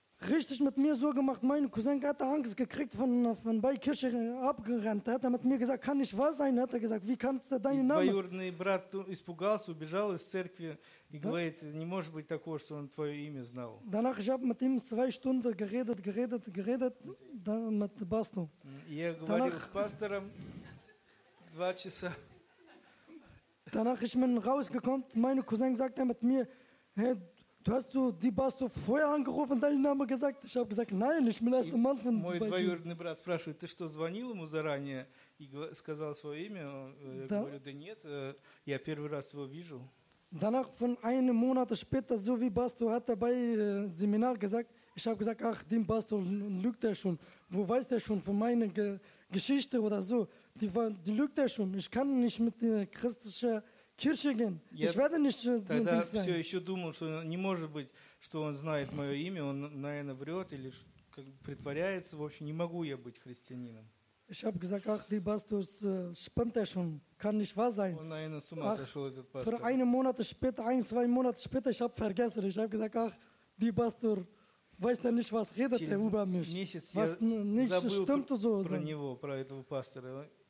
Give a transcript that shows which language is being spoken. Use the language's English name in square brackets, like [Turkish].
[German] Richtig mit mir so gemacht, mein Cousin hat Angst gekriegt, von bei Kirche abgerannt. Hat er mit mir gesagt, kann nicht wahr sein, hat er gesagt, wie kannst du deinen Namen? [Russian] Двоюродный брат испугался, убежал из церкви и говорит, не может быть такого, что он твое имя знал. [German] Danach, ich habe mit ihm zwei Stunden geredet, mit Basto. [Russian] Я говорил с пастором два часа. [German] Danach, ich bin rausgekommen, mein Cousin sagt er mit mir, hey, du hast du die Basto vorher angerufen, deinen Namen gesagt? Ich habe gesagt, nein, ich bin erst ein Mann von... [Russian] Мой двоюродный брат спрашивает, ты что, звонил ему заранее и сказал свое имя? Я говорю, да нет, я первый раз его вижу. [German] Danach, von einem Monat später, so wie Basto hat er bei Seminar gesagt, ich habe gesagt, ach, dem Basto lügt er schon. Wo weiß der schon von meiner Geschichte oder so? Die lügt er schon. Ich kann nicht mit der christlichen... Kirchigen. Ich werde nicht [Russian] тогда все еще думал, что не может быть, что он знает мое имя, он, наверное, врет или как, притворяется. В общем, не могу я быть христианином. [German] Ich habe gesagt, ach, die Basto spinnt er schon, kann nicht wahr sein. [Russian] Он, наверное, с ума сошел, этот пастор. [German] Für einen Monat später, ein, zwei Monate später, ich habe vergessen. Ich habe gesagt, ach, die Basto weiß ja nicht, was redet er über mich. [Russian] Месяц я забыл про него, про этого пастора.